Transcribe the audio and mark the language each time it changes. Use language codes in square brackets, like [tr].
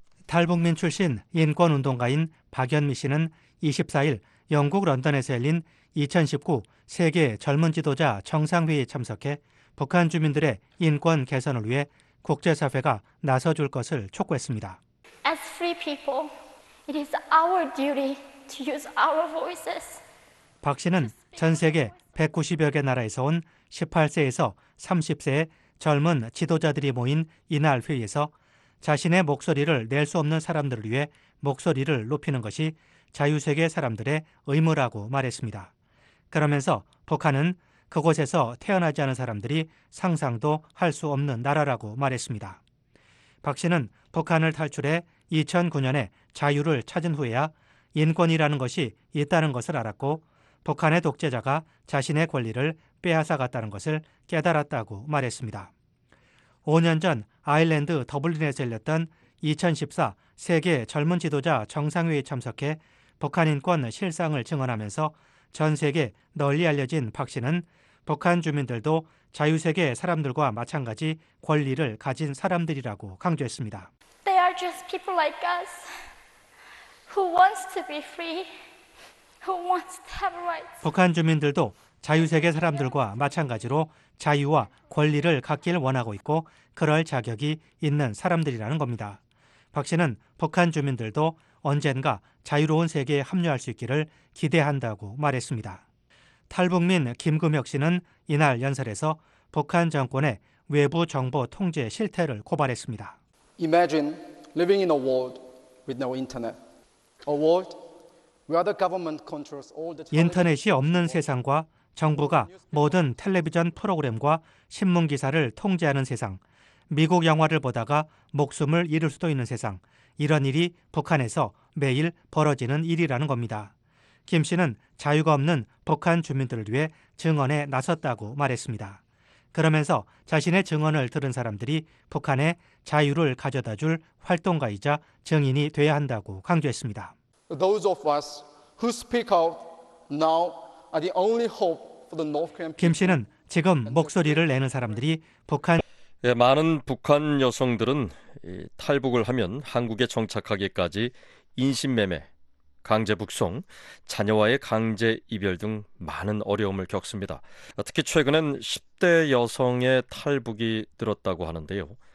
[ko] 탈북민 출신 인권운동가인 박연미 씨는 24일 영국 런던에서 열린 2019 세계 젊은 지도자 정상회의에 참석해 북한 주민들의 인권 개선을 위해 국제사회가 나서줄 것을 촉구했습니다. [en] As free people, it is our duty to use our voices. [ko] 박 씨는 전 세계 190여 개 나라에서 온 18세에서 30세의 젊은 지도자들이 모인 이날 회의에서 자신의 목소리를 낼 수 없는 사람들을 위해 목소리를 높이는 것이 자유세계 사람들의 의무라고 말했습니다. 그러면서 북한은 그곳에서 태어나지 않은 사람들이 상상도 할 수 없는 나라라고 말했습니다. 박 씨는 북한을 탈출해 2009년에 자유를 찾은 후에야 인권이라는 것이 있다는 것을 알았고 북한의 독재자가 자신의 권리를 빼앗아갔다는 것을 깨달았다고 말했습니다. 5년 전 아일랜드 더블린에서 열렸던 2014 세계 젊은 지도자 정상회의에 참석해 북한 인권 실상을 증언하면서 전 세계 널리 알려진 박 씨는 북한 주민들도 자유세계 사람들과 마찬가지 권리를 가진 사람들이라고 강조했습니다. [en] They are just people like us who wants to be free, who wants to have rights. [ko] 북한 주민들도 자유세계 사람들과 마찬가지로 자유와 권리를 갖길 원하고 있고 그럴 자격이 있는 사람들이라는 겁니다. 박 씨는 북한 주민들도 언젠가 자유로운 세계에 합류할 수 있기를 기대한다고 말했습니다. 탈북민 김금혁 씨는 이날 연설에서 북한 정권의 외부 정보 통제 실태를 고발했습니다. [en] Imagine living in a world with no internet. A world where the government controls all the [ko] 인터넷이 없는 세상과 정부가 모든 텔레비전 프로그램과 신문 기사를 통제하는 세상, 미국 영화를 보다가 목숨을 잃을 수도 있는 세상, 이런 일이 북한에서 매일 벌어지는 일이라는 겁니다. 김 씨는 자유가 없는 북한 주민들을 위해 증언에 나섰다고 말했습니다. 그러면서 자신의 증언을 들은 사람들이 북한에 자유를 가져다 줄 활동가이자 증인이 돼야 한다고 강조했습니다. [en] Those of us who speak out now are the only hope for the North Korean people. [ko] 김 씨는 지금 목소리를 내는 사람들이 북한 많은 북한 여성들은 탈북을 하면 한국에 정착하기까지 인신매매, 강제 북송, 자녀와의 강제 이별 등 많은 어려움을 겪습니다. 특히 최근엔 10대 여성의 탈북이 늘었다고 하는데요.